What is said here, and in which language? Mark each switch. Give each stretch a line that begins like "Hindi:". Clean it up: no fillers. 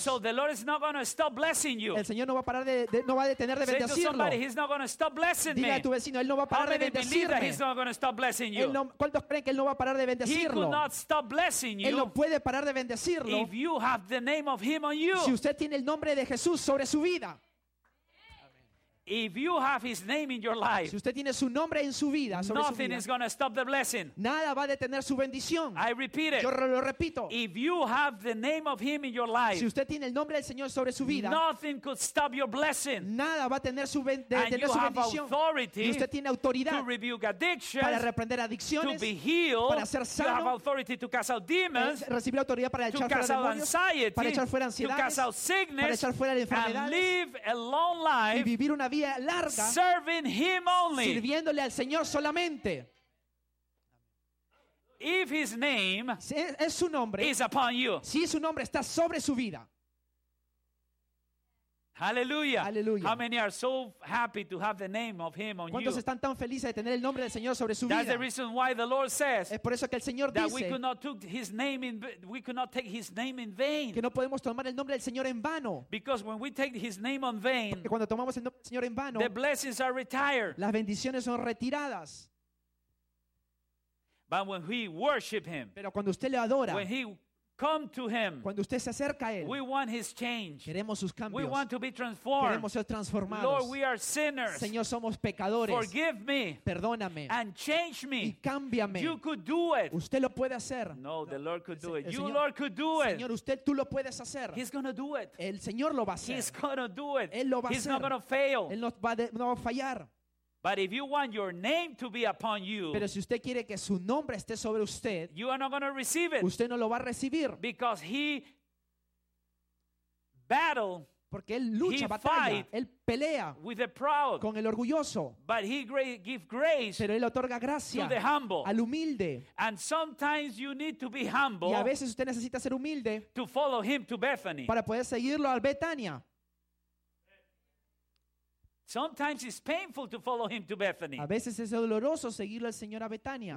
English: So the Lord is not going to stop blessing you.
Spanish: El Señor no va a parar de no va a detener de bendecirlo.
English: Say to somebody, he's not going to stop blessing me.
Spanish: Dile a tu vecino, él no va a parar de bendecirme.
English: He's not going to stop blessing you.
Spanish: ¿Cuántos creen que él no va a parar de bendecirlo?
English: He could not stop blessing you.
Spanish: Él no puede parar de bendecirlo.
English: If you have the name of him on you.
Spanish: Si usted tiene el nombre de Jesús sobre su vida.
English: If you have his name in your life.
Spanish: Si usted tiene su nombre en su vida, sobre
English: nothing
Spanish: su vida,
English: is going to stop the blessing.
Spanish: Nada va a detener su bendición.
English: I repeat it.
Spanish: Yo lo repito.
English: If you have the name of him in your life.
Spanish: Si usted tiene el nombre del Señor sobre su vida,
English: nothing could stop your blessing.
Spanish: Nada va a detener su bendición.
English: And you
Spanish: su
English: have
Spanish: bendición.
English: Authority.
Spanish: Y usted tiene autoridad
English: to rebuke addictions.
Spanish: Para reprender adicciones.
English: To be healed.
Spanish: Para ser sano.
English: You have authority to cast out demons.
Spanish: Recibir autoridad para echar fuera demonios.
English: To cast out anxiety.
Spanish: Para echar fuera ansiedades.
English: To cast out sickness.
Spanish: Para echar fuera enfermedades.
English: And live a long life.
Spanish: Y vivir una vida larga,
English: serving him only.
Spanish: Sirviéndole al Señor solamente.
English: If his name
Spanish: es su nombre,
English: is upon you.
Spanish: Si su nombre está sobre su vida. Hallelujah. Hallelujah.
English: How many are so happy to have the name of him on you?
Spanish: ¿Cuántos están tan felices de tener el nombre del Señor sobre su vida?
English: That's the reason why the Lord says,
Spanish: es por eso que el Señor dice,
English: that we could not take his name in, we could not take his name in vain.
Spanish: Que no podemos tomar el nombre del Señor en vano.
English: Because when we take his name on vain,
Spanish: porque cuando tomamos el nombre del Señor en vano,
English: the blessings are retired.
Spanish: Las bendiciones son retiradas.
English: But when we worship him,
Spanish: pero cuando usted le adora,
English: when he come to him.
Spanish: Cuando usted se acerca a él.
English: We want his change.
Spanish: Queremos sus cambios.
English: We want to be transformed.
Spanish: Queremos ser transformados.
English: Lord, we are sinners.
Spanish: Señor, somos pecadores.
English: Forgive me.
Spanish: Perdóname.
English: And change me.
Spanish: Y cámbiame.
English: You could do it.
Spanish: Usted lo puede hacer.
English: No, the Lord could do it. You, Lord, could do it.
Spanish: Señor, usted tú lo puedes hacer.
English: He's going to do it.
Spanish: El Señor lo va a hacer.
English: He's going to do it.
Spanish: Él lo va a hacer.
English: He's not going to fail.
Spanish: Él no va a fallar.
English: But if you want your name to be upon you,
Spanish: pero si usted quiere que su nombre esté sobre usted,
English: you are not going to receive it.
Spanish: Usted no lo va a recibir.
English: Because he battle,
Spanish: porque él lucha,
English: he
Spanish: batalla,
English: fight,
Spanish: él pelea
English: with the proud,
Spanish: con el orgulloso.
English: But he give grace,
Spanish: pero él otorga gracia
English: to the humble,
Spanish: al humilde.
English: And sometimes you need to be humble,
Spanish: y a veces usted necesita ser humilde,
English: to follow him to Bethany,
Spanish: para poder seguirlo a Betania.
English: Sometimes it's painful to follow him to Bethany.
Spanish: A veces es doloroso seguirlo al Señor a Betania.